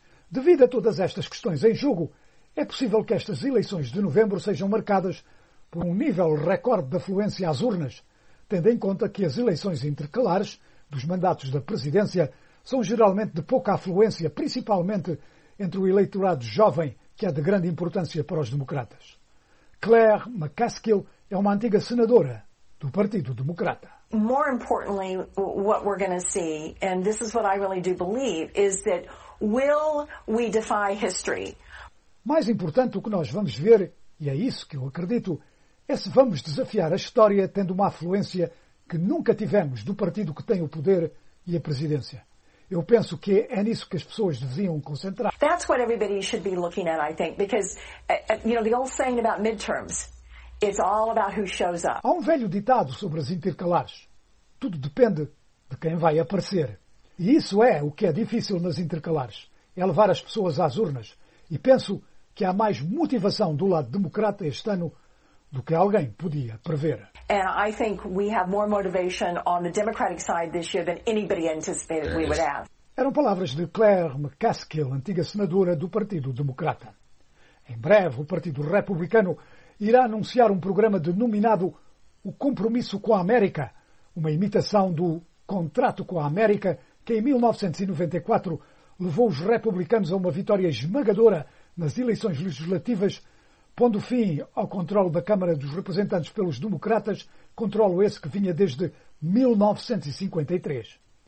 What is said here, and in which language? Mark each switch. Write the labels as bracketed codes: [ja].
[pt] Devido a todas estas questões em jogo, é possível que estas eleições de novembro sejam marcadas por um nível recorde de afluência às urnas, tendo em conta que as eleições intercalares dos mandatos da presidência são geralmente de pouca afluência, principalmente entre o eleitorado jovem, que é de grande importância para os democratas. Claire McCaskill é uma antiga senadora do Partido Democrata. [en] More importantly, what we're going to see, and this is what I really do believe, is that will we defy history? [pt] Mais importante, o que nós vamos ver, e é isso que eu acredito, é se vamos desafiar a história tendo uma afluência que nunca tivemos do partido que tem o poder e a presidência. Eu penso que é nisso que as pessoas deviam concentrar. [en] That's what everybody should be looking at, I think, because, you know, the old saying about midterms, it's all about who shows up. [pt] Há um velho ditado sobre as intercalares. Tudo depende de quem vai aparecer. E isso é o que é difícil nas intercalares, é levar as pessoas às urnas. E penso que há mais motivação do lado democrata este ano do que alguém podia prever. [en] And I think we have more motivation on the Democratic side this year than anybody anticipated we would have. [pt] Eram palavras de Claire McCaskill, antiga senadora do Partido Democrata. Em breve, o Partido Republicano irá anunciar um programa denominado O Compromisso com a América, uma imitação do Contrato com a América, que em 1994 levou os republicanos a uma vitória esmagadora nas eleições legislativas, pondo fim ao controlo da Câmara dos Representantes pelos democratas, controlo esse que vinha desde 1953.